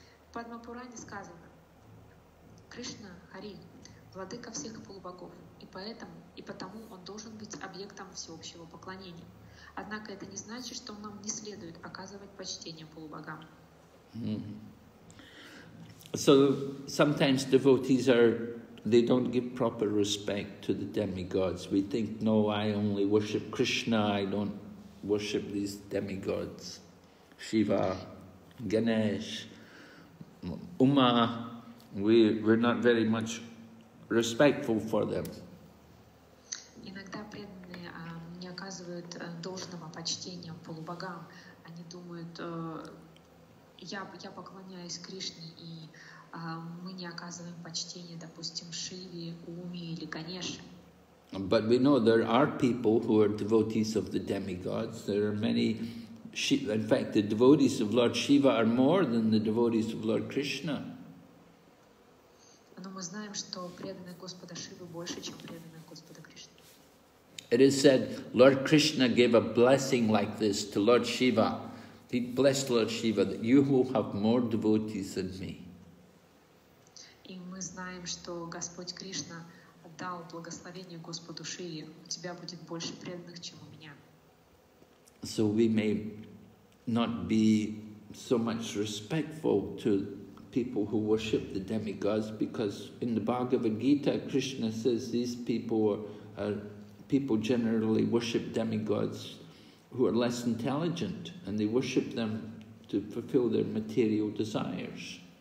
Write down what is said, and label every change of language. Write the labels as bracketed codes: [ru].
[ru] В Падмапуране сказано: «Кришна, Хари, владыка всех полубогов, и потому он должен быть объектом всеобщего поклонения. Однако это не значит, что нам не следует оказывать почтение полубогам». [en] So sometimes devotees they don't give proper respect to the demigods. We think, no, I only worship Krishna, I don't worship these demigods. Shiva, Ganesh, Uma, we're not very much respectful for them. [ru] Иногда преданные не оказывают должного почтения полубогам. Они думают, я поклоняюсь Кришне, и мы не оказываем почтения, допустим, Шиве, Уме или Ганеше. [en] But we know there are people who are devotees of the demigods. There are many, in fact, the devotees of Lord Shiva are more than the devotees of Lord Krishna. [ru] Но мы знаем, что преданные Господа Шивы больше, чем преданные Господа Кришны. [en] It is said Lord Krishna gave a blessing like this to Lord Shiva. He blessed Lord Shiva that you will have more devotees than me. [ru] И мы знаем, что Господь Кришна дал благословение Господу Шиве. У тебя будет больше преданных, чем у меня. [en] So we may not be so much respectful to people who worship the demigods, because in the Bhagavad Gita, Krishna says these people are people generally worship demigods who are less intelligent, and they worship them to fulfill their material desires.